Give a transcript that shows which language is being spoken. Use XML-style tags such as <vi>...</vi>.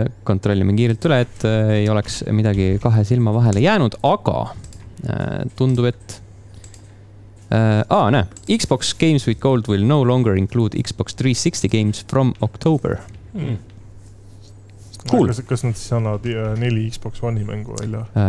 <et>Kontrollime kiirelt üle, et ei oleks midagi kahe silma vahele jäänud, aga tundub, et... näe.</et> <en>Xbox Games with Gold will no longer include Xbox 360 games from October. Hmm. Cool.</en> <et>Kas nad siis annavad neli Xbox One mängu välja?</et>